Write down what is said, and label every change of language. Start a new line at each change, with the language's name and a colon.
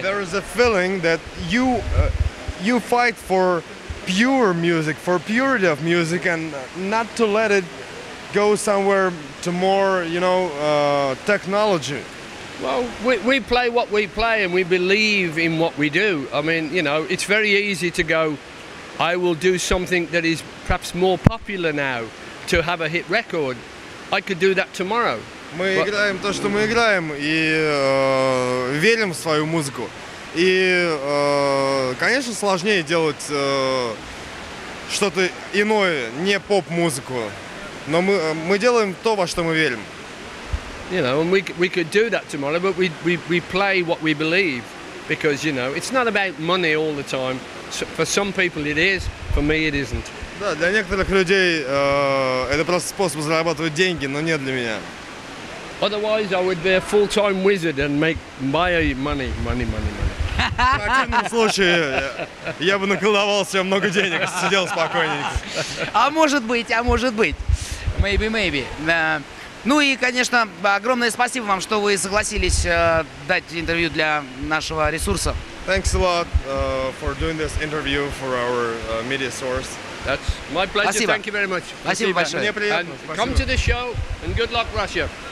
English: There is a feeling that you fight for pure music, for purity of music, and not to let it go somewhere to more, you know, technology. Well, we play what we play and we believe in what we do. I mean, you know, it's very easy to go, I will do something that is perhaps more popular now to have a hit record. I could do that tomorrow.
Russian: Мы играем то, что мы играем, и верим в свою музыку. И, конечно, сложнее делать что-то иное, не поп-музыку. Но мы делаем то, во что мы верим.
English: You know, and we could do that tomorrow, but we play what we believe, because you know it's not about money all the time. So for some people it is, for me it isn't.
Russian: Да, для некоторых людей это просто способ зарабатывать деньги, но не для меня.
English: Otherwise, I would be a full-time wizard and make my money.
Russian: В противном случае я бы наколдовал себе много денег, сидел спокойненько. А может быть.
English: Maybe.
Russian: Ну и, конечно, огромное спасибо вам, что вы согласились дать интервью для нашего ресурса.
English: Thanks a lot for doing this interview for our media source. That's my pleasure.
Russian: Спасибо.
English: Thank you very much.
Russian: Спасибо большое. Мне приятно.
English: Come to the show and good luck, Russia.